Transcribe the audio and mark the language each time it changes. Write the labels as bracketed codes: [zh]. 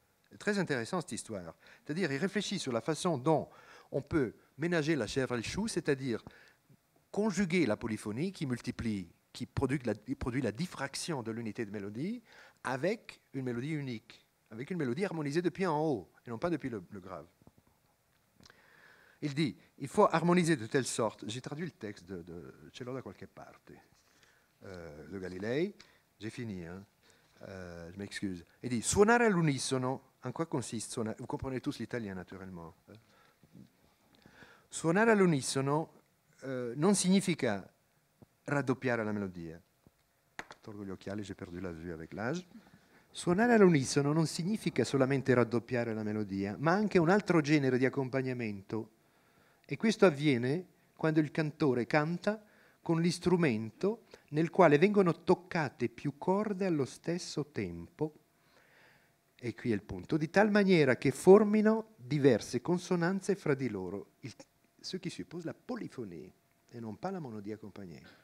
[fr] C'est très intéressant cette histoire. C'est-à-dire, il réfléchit sur la façon dont on peut ménager la chèvre et le chou, c'est-à-dire conjuguer la polyphonie qui multiplie, qui produit la diffraction de l'unité de mélodie avec une mélodie unique, avec une mélodie harmonisée depuis en haut, et non pas depuis le grave. Il dit, il faut harmoniser de telle sorte, j'ai traduit le texte de [it] Ce l'ho da qualche parte, [fr] de Galilei, j'ai fini, hein. Je m'excuse. Il dit, [it] suonare all'unisono, [fr] en quoi consiste suonare? Vous comprenez tous l'italien naturellement. [it] Suonare all'unisono non significa raddoppiare la melodia. Tolgo gli occhiali, [fr] j'ai perdu la vue avec l'âge. [it] Suonare all'unisono non significa solamente raddoppiare la melodia, ma anche un altro genere di accompagnamento. E questo avviene quando il cantore canta con l'istrumento nel quale vengono toccate più corde allo stesso tempo, e qui è il punto, di tal maniera che formino diverse consonanze fra di loro. [fr] Ce qui suppose la polifonie e non pas la monodia accompagnée.